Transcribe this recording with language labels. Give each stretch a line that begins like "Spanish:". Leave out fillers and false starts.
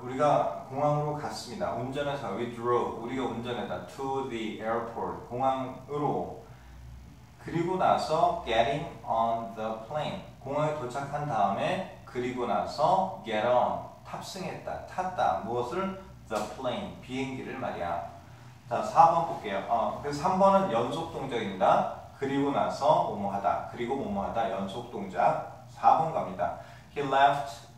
Korean: 우리가 공항으로 갔습니다. 운전해서
English: we drove.
Korean: 우리가 운전했다.
English: To the airport.
Korean: 공항으로. 그리고 나서
English: getting on the plane.
Korean: 공항에 도착한 다음에 그리고 나서 get on. 탑승했다. 탔다. 무엇을?
English: The plane.
Korean: 비행기를 말이야. 자, 4번 볼게요. 그래서 3번은 연속 동작입니다. 그리고 나서 뭐뭐하다. 그리고 뭐뭐하다. 연속 동작. 4번 갑니다.
English: He left.